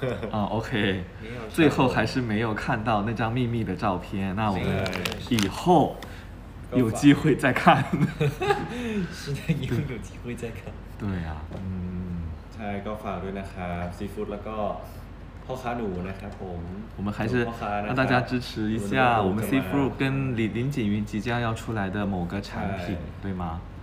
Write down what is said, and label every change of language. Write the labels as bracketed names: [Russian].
[Chinese] 啊 ，OK， 最后还是没有看到那张秘密的照片，那我们以后有机会再看。是的，以后有机会再看。对呀， [Thai] ใช่ก็ฝากด้วยนะครับซีฟู้ดแล้วก็พ่อค้าหนูนะครับผม [Chinese] 我们还是让大家支持一下我们 Seafood 跟林景云即将要出来的某个产品，对吗？